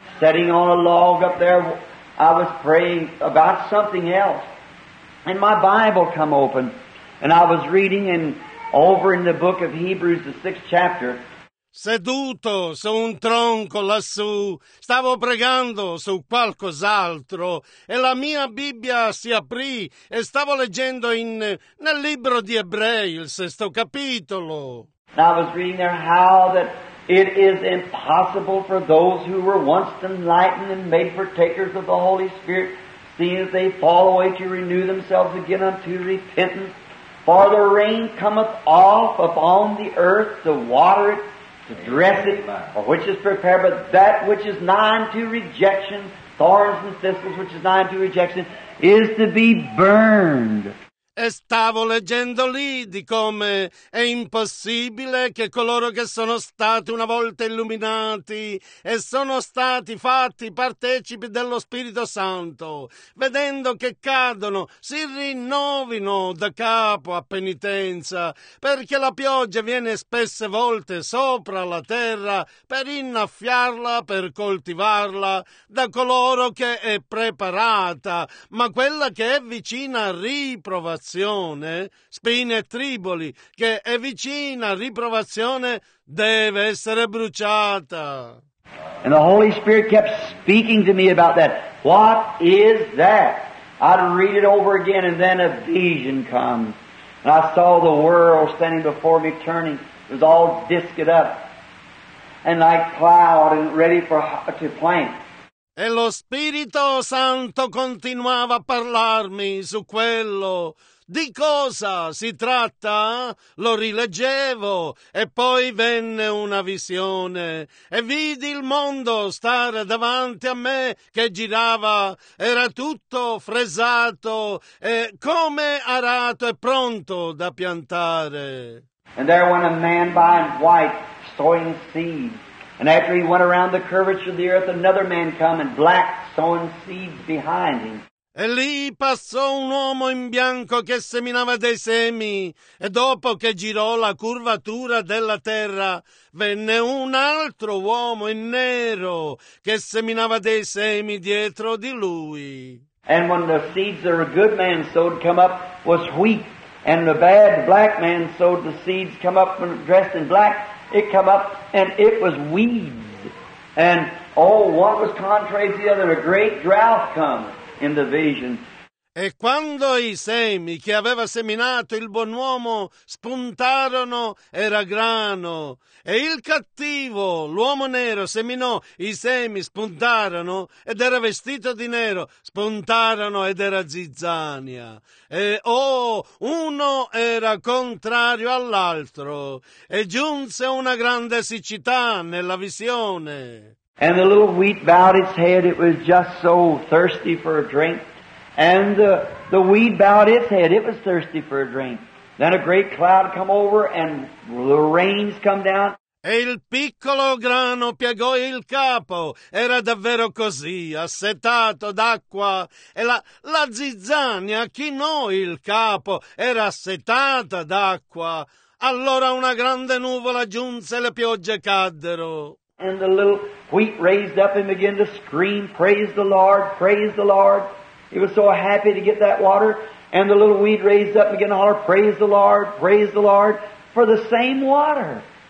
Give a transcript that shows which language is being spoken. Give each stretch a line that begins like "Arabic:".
English: Sitting on a log up there, I was praying about something else, and my Bible come open, and I was reading in over in the book of Hebrews, the 6th chapter.
Italian: Seduto su un tronco lassù, stavo pregando su qualcos'altro, e la mia Bibbia si aprì, e stavo leggendo nel libro di Ebrei, il 6th capitolo.
English: And I was reading there how that it is impossible for those who were once enlightened and made partakers of the Holy Spirit, seeing that they fall away, to renew themselves again unto repentance. For the rain cometh off upon the earth to water it, to dress it, or which is prepared, but that which is nigh unto rejection, thorns and thistles, which is nigh unto rejection, is to be burned.
Italian: E stavo leggendo lì di come è impossibile che coloro che sono stati una volta illuminati e sono stati fatti partecipi dello Spirito Santo, vedendo che cadono, si rinnovino da capo a penitenza, perché la pioggia viene spesse volte sopra la terra per innaffiarla, per coltivarla, da coloro che è preparata, ma quella che è vicina a riprovazione. Spine e triboli, che è vicina a riprovazione, deve essere bruciata.
English: And the Holy Spirit kept speaking to me about that. What is that? I'd read it over again, and then a vision comes. And I saw the world standing before me turning. It was all disked up and like cloud and ready for to plant.
Italian: E lo Spirito Santo continuava a parlarmi su quello. Di cosa si tratta? Lo rileggevo e poi venne una visione e vidi il mondo stare davanti a me che girava, era tutto fresato e come arato e pronto da piantare.
English: And there went a man by in white sowing seed, and after he went around the curvature of the earth another man come in black sowing seeds behind him.
Italian: E lì passò un uomo in bianco che seminava dei semi, e dopo che girò la curvatura della terra, venne un altro uomo in nero che seminava dei semi dietro di lui.
English: And when the seeds that a good man sowed come up was wheat, and the bad black man sowed the seeds come up and dressed in black, it come up and it was weeds. And oh, one was contrary to the other, and a great drought come. In the vision.
Italian: E quando i semi che aveva seminato il buon uomo spuntarono, era grano. E il cattivo, l'uomo nero, seminò, i semi spuntarono, ed era vestito di nero, spuntarono, ed era zizzania. E oh, uno era contrario all'altro. E giunse una grande siccità nella visione.
English: And the little wheat bowed its head, it was just so thirsty for a drink. And the weed bowed its head, it was thirsty for a drink. Then a great cloud come over and the rains come down.
Italian: E il piccolo grano piegò il capo, era davvero così, assetato d'acqua. E la zizzania chinò il capo, era assetata d'acqua. Allora una grande nuvola giunse e le piogge caddero.
English: And the little wheat raised up and began to scream, praise the Lord, praise the Lord. He was so happy to get that water. And the little wheat raised up and began to holler, praise the Lord, for the same water.